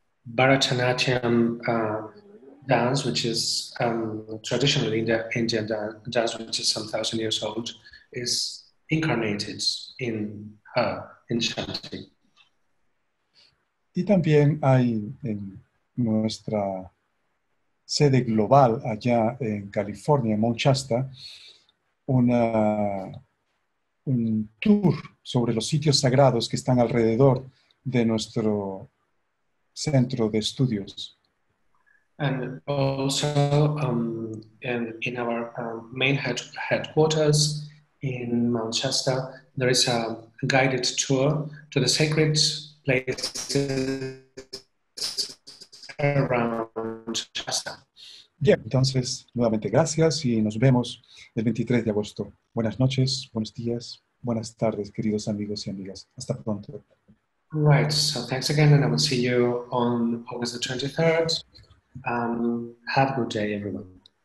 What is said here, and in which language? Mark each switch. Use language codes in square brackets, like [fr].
[en] Bharatanatyam dance, which is traditionally Indian dance, which is some 1,000 years old, is incarnated in her, in Shanti. [es] Y también hay en nuestra sede global allá en California, en Mount Shasta, un tour sobre los sitios sagrados que están alrededor de nuestro centro de estudios. [en] And also in our main headquarters in Mount Shasta, there is a guided tour to the sacred places around Shasta. [es] Bien, entonces, nuevamente gracias y nos vemos el 23 de agosto. Buenas noches, buenos días, buenas tardes, queridos amigos y amigas. Hasta pronto. [en] Right, so thanks again and I will see you on August the 23rd. Have a good day, everyone.